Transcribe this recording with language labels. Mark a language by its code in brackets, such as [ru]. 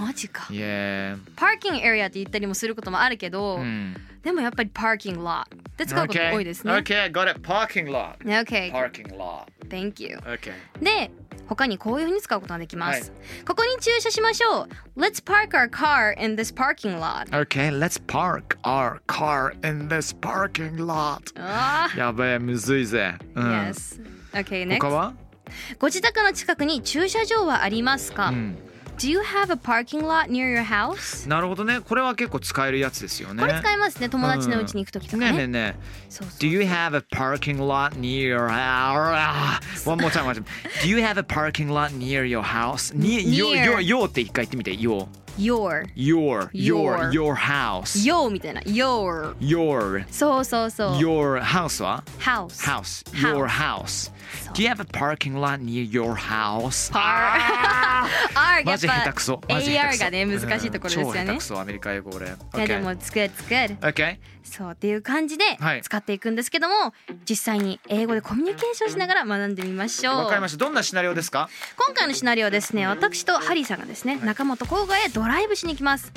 [ja] マジか。 [en] Yeah. [ja] パーキングエリアって言ったりもすることもあるけど、うん、でもやっぱりパーキングロットって使うことが多いですね。 [en] Okay. Okay, got it. Parking lot. Okay. Parking lot. Thank you. Okay. [ja] で、他にこういうふうに使うことができます。はい、ここに駐車しましょう。 [en] Let's park our car in this parking lot. Okay, let's park our car in this parking lot. [ja] やべえ、むずいぜ。うん、 [en] yes. Okay, next. [ja] 他は？ご自宅の近くに駐車場はありますか、うん、 [en] Do you have a parking lot near your house? [ja] なるほどね、これは結構使えるやつですよね。これ使えますね、友達の家に行くときとかね、うん、ねえねえねえ、そうそうそう。 [en] Do you have a parking lot near your house? One more time, one time. Do you have a parking lot near your house? Near your [ja] って一回言ってみて。 [en] Your Your Your Your Your house Your [ja] みたいな [en] Your Your [ja] そうそうそう。 [en] Your house は House House Your house、so. Do you have a parking lot near your house? Par R [ja] やっぱ下手くそ。 AR がね、難しいところですよね、うん、超下手くそアメリカ英語俺、 [en] okay. [ja] いやでも [en] It's good, it's good. Okay. [ja] そうっていう感じで使っていくんですけども、はい、実際に英語でコミュニケーションしながら学んでみましょう。わかりました。どんなシナリオですか？今回のシナリオはですね、私とハリーさんがですね、はい、中本郊外へドライブしに行きます、